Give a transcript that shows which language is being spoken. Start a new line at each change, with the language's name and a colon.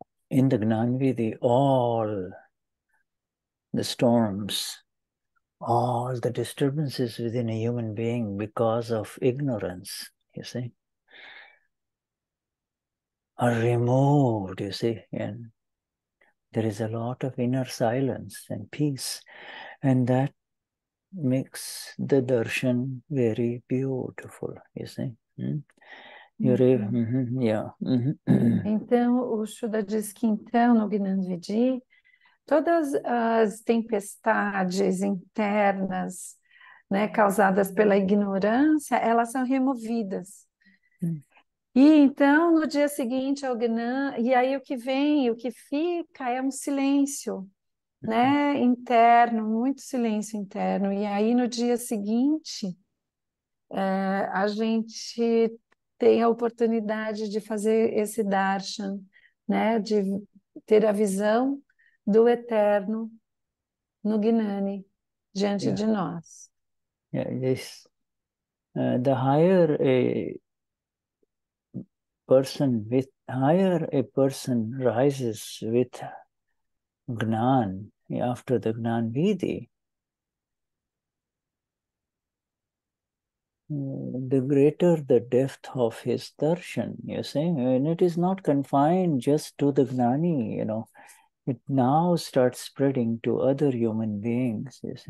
English: in the Gnanvidhi, all the storms, all the disturbances within a human being because of ignorance, you see, are removed, you see, and there is a lot of inner silence and peace, and that makes the darshan very beautiful, you see?
Portuguese: Então, o Shuddha diz que então, no Gnanvidhi, todas as tempestades internas, né, causadas pela ignorância, elas são removidas. E então, no dia seguinte ao Gnanvidhi, e aí o que vem, o que fica é um silêncio. Né? Interno, muito silêncio interno. E aí, no dia seguinte, a gente tem a oportunidade de fazer esse darshan, né? De ter a visão do eterno no Gnani, diante de nós.
English: The higher a person with, higher a person rises with Gnan, after the Gnanvidhi, the greater the depth of his darshan, you see, and it is not confined just to the Gnani, you know, it now starts spreading to other human beings,